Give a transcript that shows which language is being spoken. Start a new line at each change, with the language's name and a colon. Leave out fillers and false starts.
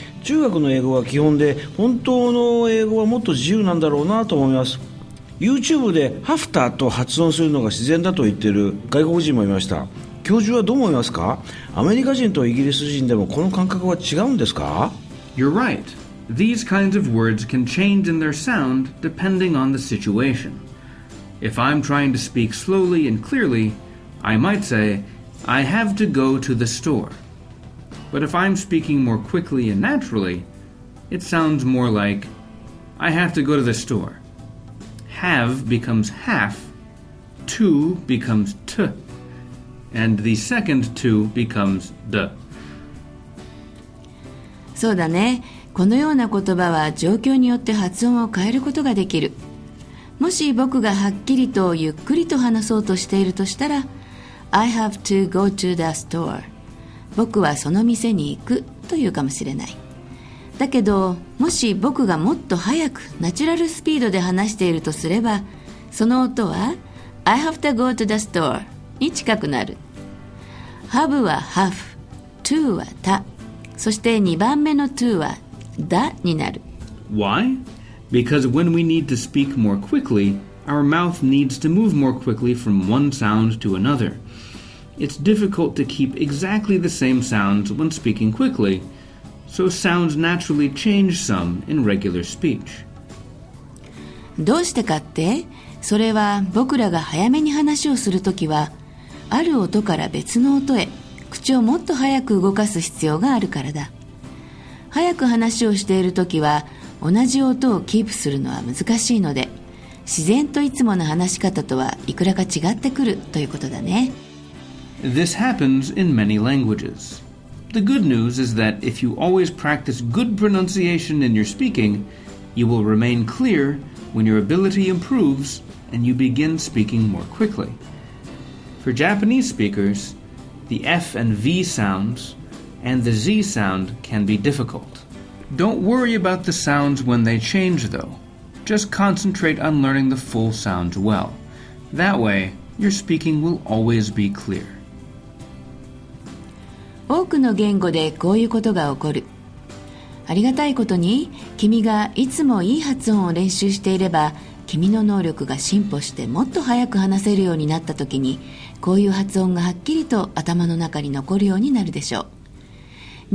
Japanese: 中学の英語は基本で、本当の英語はもっと自由なんだろうなと思います。 YouTube で have to と発音するのが自然だと言ってる外国人もいました。教授はどう思いますか?アメリカ人とイギリス人でもこの感覚は違うんですか?
English: You're right. These kinds of words can change in their sound depending on the situation. If I'm trying to speak slowly and clearly, I might say, I have to go to the store. But if I'm speaking more quickly and naturally, it sounds more like, I have to go to the store. Have becomes half, to becomes to. And the second to becomes the.
Japanese: そうだね。このような言葉は状況によって発音を変えることができる。もし僕がはっきりとゆっくりと話そうとしているとしたら、
English: I have to go to the store.
Japanese: 僕はその店に行くというかもしれない。だけど、もし僕がもっと早くナチュラルスピードで話しているとすれば、その音は
English: I have to go to the store.
Japanese: に近くなる。 Have は Half、 To は Ta、 そして2番目の To は Da になる。
English: Why? Because when we need to speak more quickly, our mouth needs to move more quickly from one sound to another. It's difficult to keep exactly the same sounds when speaking quickly, so sounds naturally change some in regular speech.
Japanese: どうしてかって、それは僕らが早めに話をするときは、ある音から別の音へ口をもっと早く動かす必要があるからだ。早く話をしているときは同じ音をキープするのは難しいので、自然といつもの話し方とはいくらか違ってくるということだね。
English: This happens in many languages. The good news is that if you always practice good pronunciation in your speaking, you will remain clear when your ability improves and you begin speaking more quicklyFor Japanese speakers, the F and V sounds and the Z sound can be difficult. Don't worry about the sounds when they change, though. Just concentrate on learning the full sounds well. That way, your speaking will always be clear.
Japanese: 多くの言語でこういうことが起こる。ありがたいことに、君がいつもいい発音を練習していれば、君の能力が進歩してもっと早く話せるようになったときに、こういう発音がはっきりと頭の中に残るようになるでしょう。